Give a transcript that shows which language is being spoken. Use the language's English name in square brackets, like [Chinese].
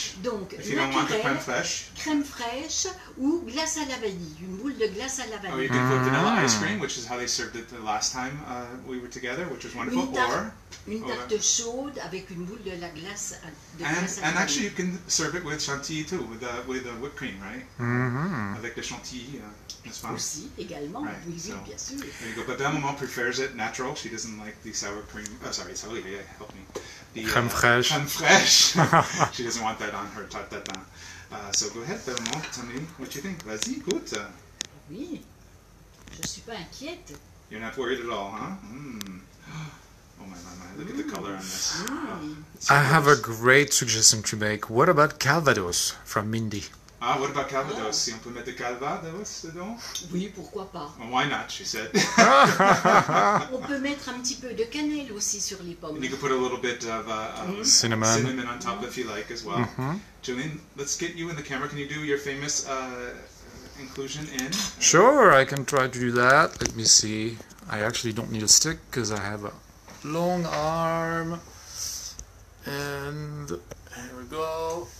[French] donc, naturelle, crème fraîche ou glace à la vanille, une boule de glace à la vanille. [English] Oh, you could put vanilla ice cream, which is how they served it the last time we were together, which was wonderful, or... [French] Une tarte chaude avec une boule de la glace de [English] and, [French] glace à [English] and actually you can serve it with chantilly too with the whipped cream right [French] avec le chantilly n'est-ce pas aussi également [English] right. [French] oui [English] so, [French] bien sûr [English] there you go. But Belle Maman prefers it natural, she doesn't like the sour cream help me the [French] crème fraîche [English] she doesn't want that on her tarte tatin. So go ahead Belle Maman, tell me what you think. [French] Vas-y, goûte. Oui, je suis pas inquiète. [English] You're not worried at all, huh? Look at the color on this. I have a great suggestion to make. What about calvados from Mindy? Ah, what about calvados? [French] Si on peut mettre calvados dedans? Oui, pourquoi pas. [English] Well, why not, she said. [French] On peut mettre un petit peu de cannelle aussi sur les pommes. [English] And you can put a little bit of cinnamon on top if you like as well. Mm-hmm. Julien, let's get you in the camera. Can you do your famous inclusion in? Sure, I can try to do that. Let me see. I actually don't need a stick because I have a long arm, and here we go.